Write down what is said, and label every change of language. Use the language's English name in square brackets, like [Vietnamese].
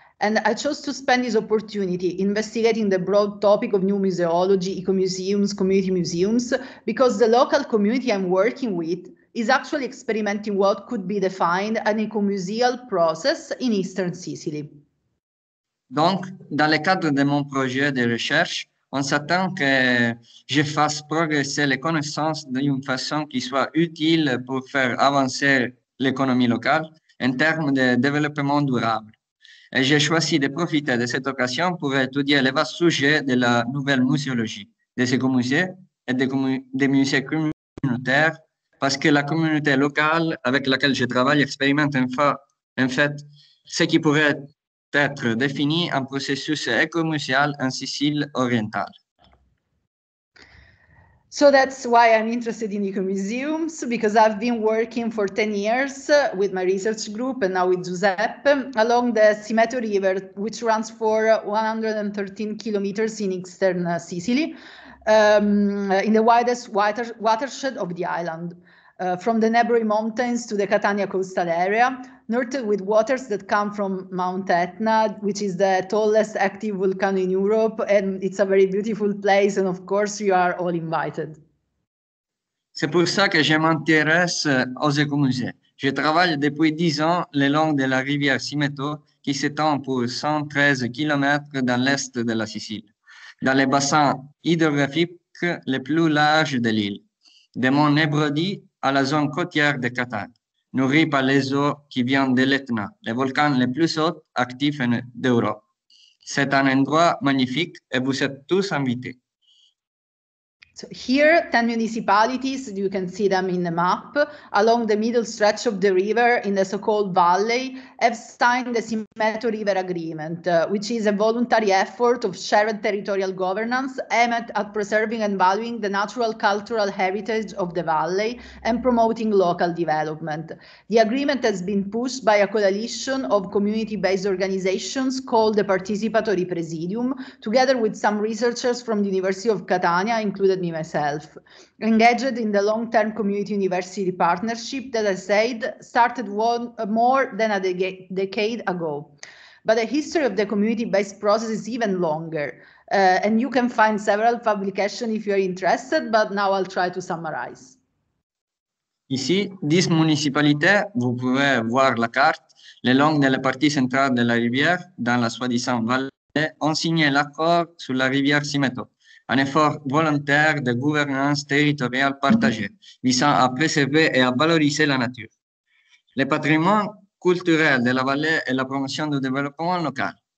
[English] And I chose to spend this opportunity investigating the broad topic of new museology, eco-museums, community museums, because the local community I'm working with is actually experimenting what could be defined an eco-museal process in Eastern Sicily. [French] Donc, dans le cadre de mon projet de recherche, On s'attend que je fasse progresser les connaissances d'une façon qui soit utile pour faire avancer l'économie locale en termes de développement durable. Et j'ai choisi de profiter de cette occasion pour étudier les vastes sujets de la nouvelle muséologie, des écomusées et des musées communautaires, parce que la communauté locale avec laquelle je travaille expérimente en fait ce qui pourrait être d'être défini un processus écomuséal en Sicile orientale. [English] So that's why I'm interested in ecomuseums, because I've been working for 10 years with my research group and now with Giuseppe along the Simeto River, which runs for 113 kilometers in eastern Sicily, in the widest watershed of the island. From the neighboring mountains to the Catania coastal area, nurtured with waters that come from Mount Etna, which is the tallest active volcano in Europe, and it's a very beautiful place, and of course you are all invited. [French] C'est pour ça que je m'intéresse aux écomusées. Je travaille depuis 10 ans le long de la rivière Simeto, qui s'étend pour 113 km dans l'est de la Sicile, dans les bassins hydrographiques les plus larges de l'île, de Mont Nebrodi à la zone côtière de Catania, nourrie par les eaux qui viennent de l'Etna, le volcan le plus haut actif d'Europe. C'est un endroit magnifique et vous êtes tous invités. [English] So here, 10 municipalities, you can see them in the map, along the middle stretch of the river in the so-called valley, have signed the Simeto River Agreement, which is a voluntary effort of shared territorial governance aimed at preserving and valuing the natural cultural heritage of the valley and promoting local development. The agreement has been pushed by a coalition of community-based organizations called the Participatory Presidium, together with some researchers from the University of Catania, included me myself, engaged in the long-term community university partnership that, I said, started more than a decade ago. But the history of the community-based process is even longer, and you can find several publications if you're interested, but now I'll try to summarize. [French] Ici, 10 municipalités, vous pouvez voir la carte, le long de la partie centrale de la rivière, dans la soi-disant vallée, ont signé l'accord sur la rivière Simeto. Un effort volontaire de gouvernance territoriale partagée, visant à préserver et à valoriser la nature, le patrimoine culturel de la vallée et la promotion du développement local.